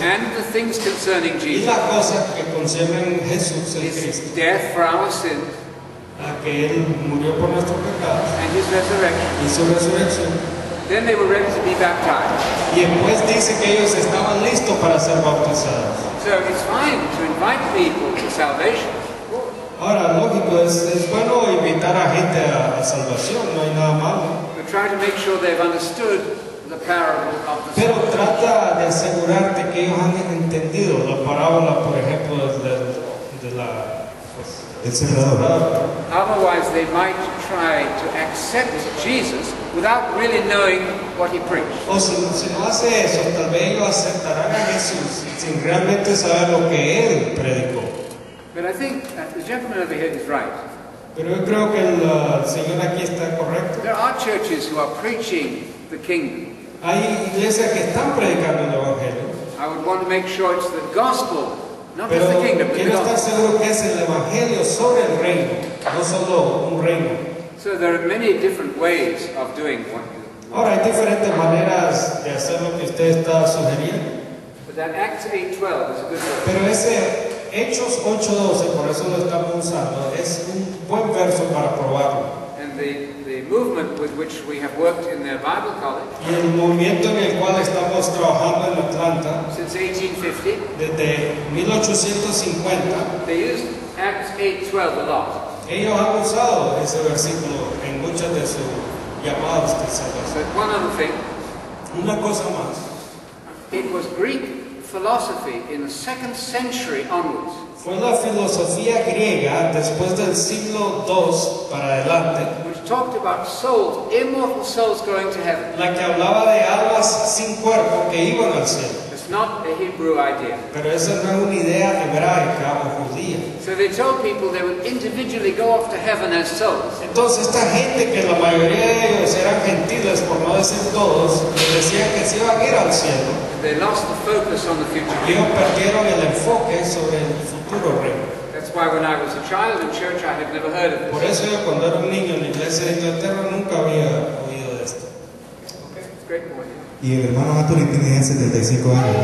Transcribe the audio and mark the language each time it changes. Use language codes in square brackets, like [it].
[en] And the things concerning Jesus. [es] Y las cosas que conciernen Jesús el Cristo. [en] His death for our sins. [es] A que él murió por nuestros pecados. [en] And his resurrection. [es] Y su resurrección. [en] Then they were ready to be baptized. [es] Y después dice que ellos estaban listos para ser bautizados. [en] So it's fine to invite people to salvation. [es] Ahora, lógico, es bueno invitar a gente a salvación, no hay nada malo. [en] But try to make sure they've understood the parable of the soul. [es] Pero trata de asegurarte que ellos han entendido la parábola, por ejemplo, del sembrador. [en] Otherwise, they might try to accept Jesus without really knowing what he preached. [es] O si no hace eso, tal vez ellos aceptarán a Jesús sin realmente saber lo que él predicó. [en] But I think the gentleman over here is right. [es] Pero yo creo que el señor aquí está correcto. [en] There are churches who are preaching the kingdom. [es] Hay iglesias que están predicando el evangelio. [en] I would want to make sure it's the gospel, not just the kingdom, but the gospel. [es] Quiero estar seguro que es el evangelio sobre el reino, no solo un reino. [en] So there are many different ways of doing what you want. [es] Ahora, hay diferentes maneras de hacer lo que usted está sugiriendo. [en] But that Acts 8:12 is a good one. [es] Pero ese Hechos 8:12, por eso lo estamos usando, es un buen verso para probarlo. [en] And the movement with which we have worked in their Bible college. [es] Y el movimiento en el cual estamos trabajando en Atlanta. [en] Since 1850. [es] Desde 1850. [en] They used Acts 8:12 a lot. [es] Ellos han usado ese versículo en muchas de sus llamadas de salvación. [en] But one other thing. [es] Una cosa más. [en] It was Greek philosophy in the second century onwards. [es] Fue la filosofía griega después del siglo II para adelante. [en] Which talked about souls, immortal souls going to heaven. [es] La que hablaba de almas sin cuerpo que iban al cielo. [en] It's not a Hebrew idea. [es] Pero esa no es una idea hebraica o judía. [en] So they told people they would individually go off to heaven as souls. [es] Entonces esta gente, que la mayoría de ellos eran gentiles por no decir todos, les decía que se iban a ir al cielo. [en] They lost the focus on the future. [es] Ellos perdieron el enfoque sobre el futuro reino. [en] That's why when I was a child in church, I had never heard of this. [es] Por eso yo cuando era un niño en la iglesia de Inglaterra nunca había oído de esto. [en] Okay, great point. [es] Y el hermano Anthony tiene 75 años, [en] yeah.